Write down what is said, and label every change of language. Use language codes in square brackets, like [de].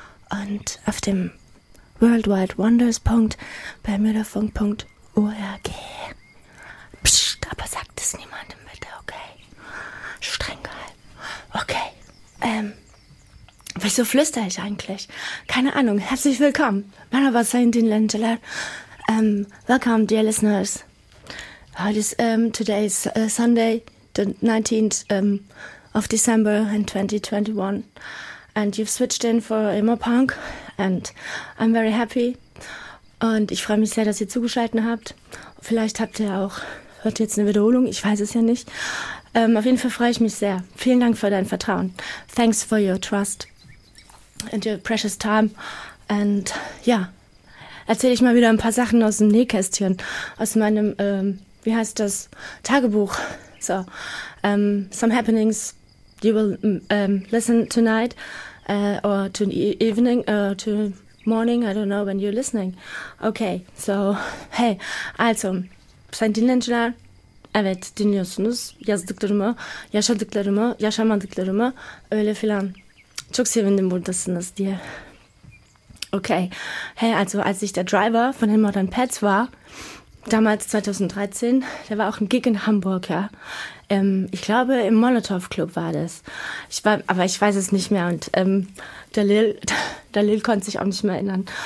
[de] Und auf dem worldwidewonders.bermudafunk.org. Psst, aber sagt es niemandem bitte, okay? Streng geil. Okay, wieso flüstere ich eigentlich? Keine Ahnung. Herzlich willkommen. Mein Name ist Saintin Lentela. [en] Welcome, dear listeners. [de] Heute ist, [en] today is Sunday, the 19th of December in 2021. And you've switched in for Emo Punk. And I'm very happy. [de] Und ich freue mich sehr, dass ihr zugeschaltet habt. Vielleicht habt ihr auch, hört jetzt eine Wiederholung. Ich weiß es ja nicht. Auf jeden Fall freue ich mich sehr. Vielen Dank für dein Vertrauen. [en] Thanks for your trust and your precious time. [de] And ja, erzähle ich mal wieder ein paar Sachen aus dem Nähkästchen, aus meinem, wie heißt das, Tagebuch. [en] So, some happenings you will listen tonight or to evening or to morning. I don't know when you're listening. [tr] Okay, so, hey, also, sen dinlenciler, evet dinliyorsunuz. Yazdıklarımı, yaşadıklarımı, yaşamadıklarımı, öyle filan. Çok sevindim buradasınız diye. [de] Okay, hey, also, als ich der Driver von den Modern Pets war, damals 2013, da war auch ein Gig in Hamburg, ja. Ich glaube, im Molotow Club war das. Ich war, aber ich weiß es nicht mehr. Und der Lil konnte sich auch nicht mehr erinnern.